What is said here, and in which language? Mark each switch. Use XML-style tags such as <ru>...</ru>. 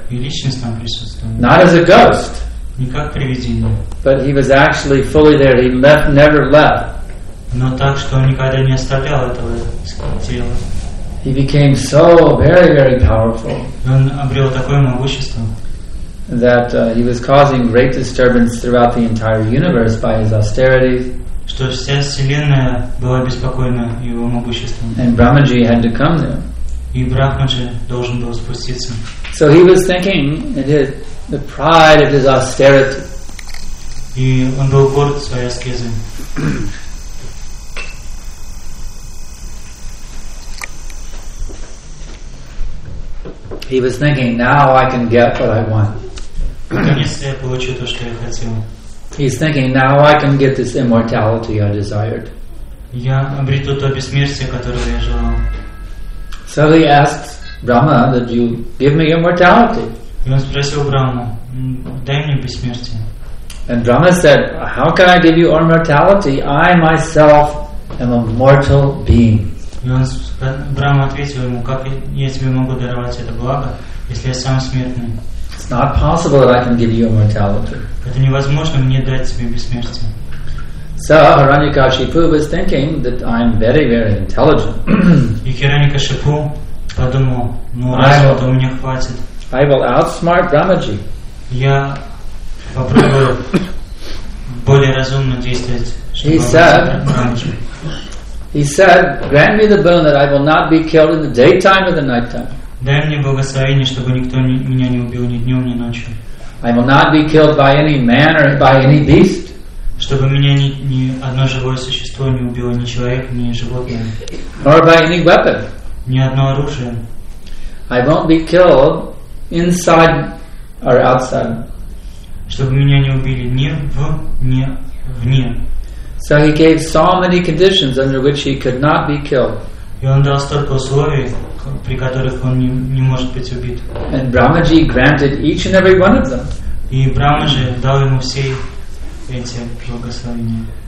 <ru>И личность там присутствовала.</ru> <en>Not as a ghost.</en> <ru>Не как привидение.</ru> <en>But he was actually fully there. He left, never left.</en> <ru>Но так, что он никогда не оставлял этого тела.</ru> <en>He became so very, very powerful.</en> <ru>Он обрел такое могущество.</ru> <en>That he was causing great disturbance throughout the entire universe by his austerity.</en> <ru>Что вся вселенная была беспокойна его могуществом.</ru> <en>And Brahmaji had to come there.</en> <ru>И Брахманджи должен был спуститься.</ru> <en>So he was thinking it, the pride of his austerity.</en> <ru>И он был горд своей аскезой.</ru> <en>He was thinking, now I can get what I want. He's thinking, now I can get this immortality I desired. So he asked Brahma that you give me immortality. And Brahma said, how can I give you immortality? I myself am a mortal being.</en> <ru>И он, Брама ответил ему, как я тебе могу даровать это благо, если я сам смертный?</ru> <en>It's not possible that I can give you immortality.</en> <ru>Это невозможно мне дать тебе бессмертие.</ru> <en>So Hiranyakashipu was thinking that I'm very, very intelligent.</en> <ru>И Хираньякашипу подумал, ну разве этого мне хватит?</ru> <en>I will outsmart Брамаджи.</en> <ru>Я попробую более разумно действовать, чтобы</ru> <en>outsmart Брамаджи. He said, grant me the boon that I will not be killed in the daytime or the nighttime.</en> <ru>Дай мне благословение, чтобы никто меня не убил ни днем, ни ночью.</ru> <en>I will not be killed by any man or by any beast.</en> <ru>Чтобы меня ни одно живое существо не убило, ни человек, ни животное.</ru> <en>Nor by any weapon.</en> <ru>Ни одно оружие.</ru> <en>I won't be killed inside or outside.</en> <ru>Чтобы меня не убили ни в, ни вне.</ru> <en>So he gave so many conditions under which he could not be killed.</en> <ru>И он дал столько условий, при которых он не может быть убит.</ru> <en>And Brahmaji granted each and every one of them.</en> <ru>И Брахмаджи дал ему все эти благословения.</ru>